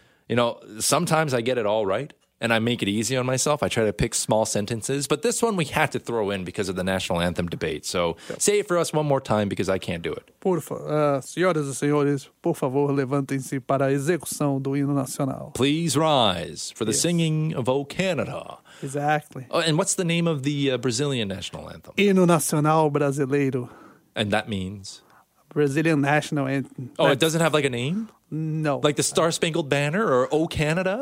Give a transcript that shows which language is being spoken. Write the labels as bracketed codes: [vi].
[en] You know, sometimes I get it all right, and I make it easy on myself. I try to pick small sentences, but this one we had to throw in because of the national anthem debate. So say it for us one more time because I can't do it. [pt] Por senhoras e senhores, por favor, levantem-se para a execução do hino nacional. [en] Please rise for the singing of O Canada. Exactly. And what's the name of the Brazilian national anthem? Hino Nacional Brasileiro. And that means? Brazilian national anthem. Oh, it doesn't have like a name? No. Like the Star Spangled Banner or O Canada?